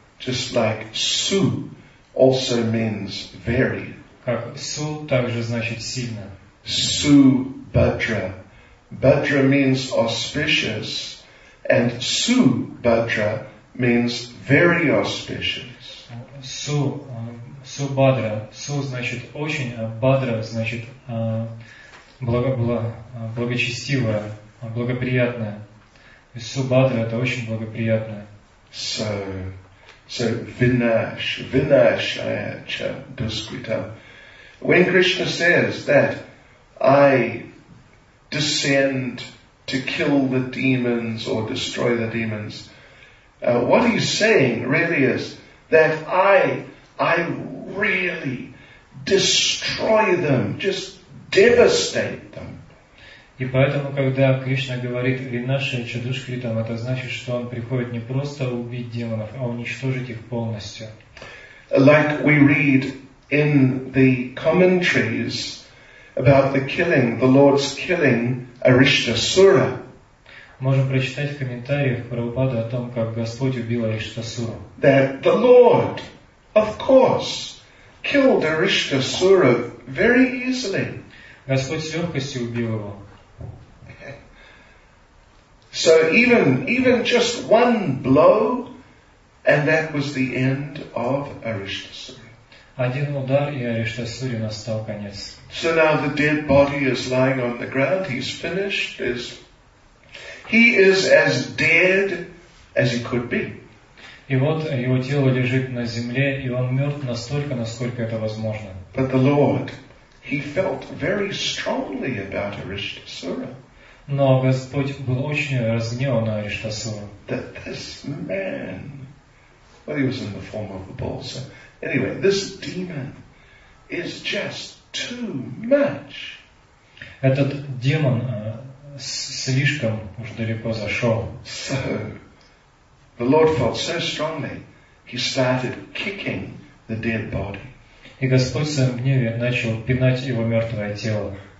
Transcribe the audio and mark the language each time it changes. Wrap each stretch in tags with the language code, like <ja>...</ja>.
<en>Just like su also means very.</en> <ru>Как су также значит сильно.</ru> <en>Su Bhadra. Bhadra means auspicious, and su Bhadra means very auspicious. Su, su Bhadra.</en> <ru>Su значит очень, а Bhadra значит благочестивое, благоприятное. Субхадра – это очень благоприятное.</ru> <en>So Vinash,</en> <sa>Vinashaya Duskrita.</sa> <en>When Krishna says that I descend to kill the demons or destroy the demons, what he's saying really is that I really destroy them, just devastate them.</en> <ru>И поэтому, когда Кришна говорит</ru> <sa>«Винаша Чадушкритам»,</sa> <ru>это значит, что он приходит не просто убить демонов, а уничтожить их полностью.</ru> <en>Like we read in the commentaries about the killing, the Lord's killing Arishtasura.</en> <ru>Можем прочитать в комментариях Прабхупады о том, как Господь убил Арештасуру.</ru> <en>That the Lord, of course, killed Arishtasura very easily.</en> <ru>Господь с легкостью убил его.</ru> <en>So even just one blow, and that was the end of Arishtasura.</en> <ru>Один удар, и Арештасуре настал конец.</ru> <en>So now the dead body is lying on the ground. He's finished. He is as dead as he could be.</en> <ru>И вот его тело лежит на земле, и он мертв настолько, насколько это возможно.</ru> <en>But the Lord, he felt very strongly about Arishtasura.</en> <ru>Но Господь был очень разгневан на Арештасуру.</ru> <en>That this man, well, he was in the form of a bull, so anyway, this demon is just too much.</en> <ru>Этот демон слишком уж далеко зашел.</ru> <en>So the Lord felt so strongly, he started kicking the dead body.</en> <ru>И Господь в своем гневе начал пинать его мертвое тело.</ru>